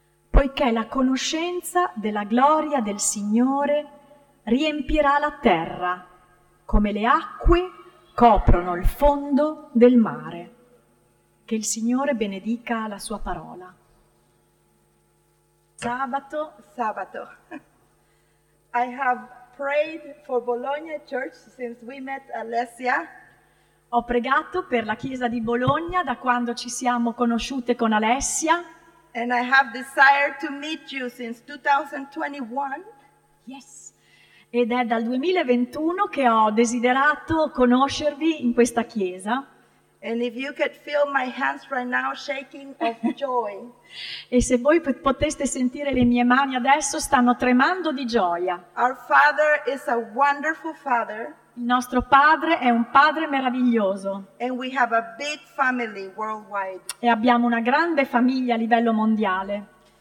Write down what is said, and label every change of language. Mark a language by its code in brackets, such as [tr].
[it] Poiché la conoscenza della gloria del Signore riempirà la terra, come le acque coprono il fondo del mare. Che il Signore benedica la sua parola. Sabato. [en] I have prayed for Bologna Church since we met Alessia. [it] Ho pregato per la chiesa di Bologna da quando ci siamo conosciute con Alessia. [en] And I have desired to meet you since 2021. Yes. [it] Ed è dal 2021 che ho desiderato conoscervi in questa chiesa. [en] And if you could feel my hands right now shaking of joy. [it] E se voi poteste sentire le mie mani adesso stanno tremando di gioia. [en] Our Father is a wonderful Father. [it] Il nostro Padre è un Padre meraviglioso. [en] And we have a big family worldwide. [it] E abbiamo una grande famiglia a livello mondiale.